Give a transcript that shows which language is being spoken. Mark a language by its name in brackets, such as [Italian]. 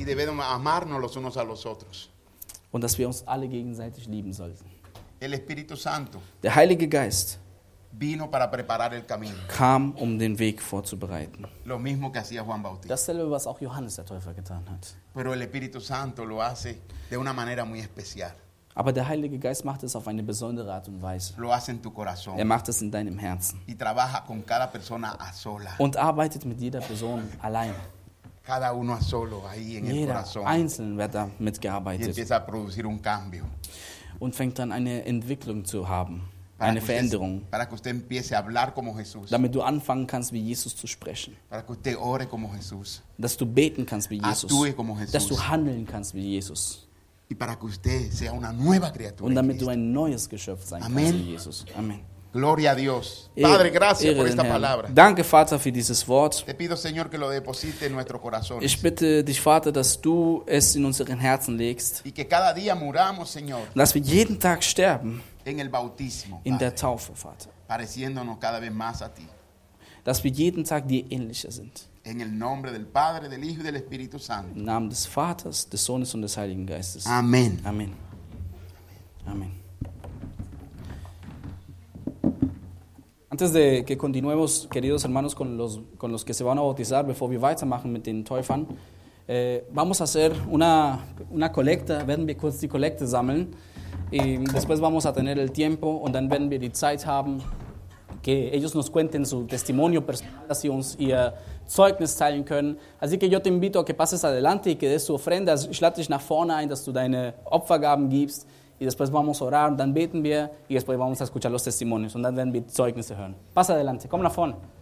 [Spanish] Y debemos amarnos los unos a los otros. [German] Und dass wir uns alle gegenseitig lieben sollten. [Spanish] El Espíritu Santo, [German] der Heilige Geist, [Spanish] vino para preparar el camino, [German] kam, um den Weg vorzubereiten. [Spanish] Lo mismo que hacía Juan Bautista. [German] Dasselbe, was auch Johannes der Täufer getan hat. [Spanish] Pero el Espíritu Santo lo hace de una manera muy especial. [German] Aber der Heilige Geist macht es auf eine besondere Art und Weise. [Spanish] Lo hace en tu corazón. [German] Er macht es in deinem Herzen. [Spanish] Y trabaja con cada persona a sola. [German] Und arbeitet mit jeder Person allein. [Spanish] Cada uno a solo ahí en [German] jeder [Spanish] el corazón. [German] Einzeln wird damit gearbeitet. [Spanish] Y empieza a producir un cambio. [German] Und fängt dann eine Entwicklung zu haben, para eine Veränderung. [Spanish] Usted, para que usted empiece a hablar como Jesús. [German] Damit du anfangen kannst, wie Jesus zu sprechen. [Spanish] Para que usted ore como Jesús. [German] Dass du beten kannst wie Jesus. [Spanish] Actúe como Jesús. [German] Dass du handeln kannst wie Jesus. [Spanish] Y para que usted sea una nueva criatura. [German] Und damit du ein neues Geschöpf sein [Spanish] Amen. [German] Kannst wie Jesus. Amen. [Spanish] Gloria a Dios. Padre, gracias por esta palabra. [German] Danke, Vater, für dieses Wort. [Spanish] Te pido, Señor, que lo deposite en nuestros corazones. [German] Ich bitte dich, Vater, dass du es in unseren Herzen legst. [Spanish] Y que cada día muramos, Señor. [German] Dass wir jeden Tag sterben. [Spanish] En el bautismo, [German] in Padre. Der Taufe, Vater. [Spanish] Pareciéndonos cada vez más a ti. [German] Dass wir jeden Tag dir ähnlicher sind. [Spanish] En el nombre del Padre, del Hijo y del Espíritu Santo. [German] Im Namen des Vaters, des Sohnes und des Heiligen Geistes. Amen. Amen. Amen. [Spanish] Antes de que continuemos, queridos hermanos, con los que se van a bautizar, [German] bevor wir weitermachen mit den Täufern, [Spanish] vamos a hacer una colecta, [German] werden wir kurz die Kollekte sammeln. [Spanish] Y después vamos a tener el tiempo [German] und dann werden wir die Zeit haben, [Spanish] que ellos nos cuenten su testimonio personal, [German] dass sie uns ihr Zeugnis teilen können. [Spanish] Así que yo te invito a que pases adelante y que des tu ofrenda. [German] Ich lade dich nach vorne ein, dass du deine Opfergaben gibst. [Spanish] Y después vamos a orar, [German] dann beten wir, [Spanish] y después vamos a escuchar los testimonios, [German] und dann werden wir Zeugnisse hören. [Spanish] Pasa adelante, [German] komm nach vorne.